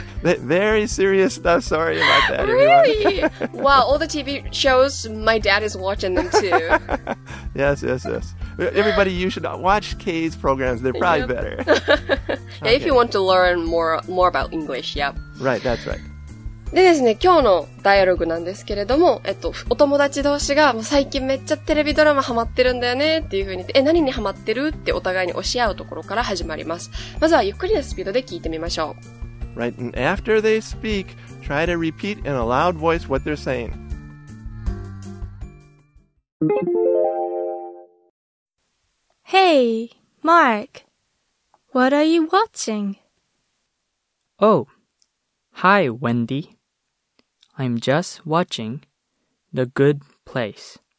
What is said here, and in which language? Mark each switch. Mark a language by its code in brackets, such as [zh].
[en] Very serious stuff. Sorry about that. Really? Wow, all the TV shows, my dad is watching them, too. Yes, yes, yes. Everybody, you should watch Kay's programs. They're probably better. Yeah, okay. If you want to learn more about English, yep. Right, that's right. [ja] でですね、今日のダイアログなんですけれども、お友達同士が、もう最近めっちゃテレビドラマハマってるんだよねっていう風に、何にハマってるってお互いに押し合うところから始まります。まずはゆっくりなスピードで聞いてみましょう。 [en] Right, and after they speak, try to repeat in a loud voice what they're saying. Hey, Mark. What are you watching? Oh. Hi, Wendy. I'm just watching The Good Place.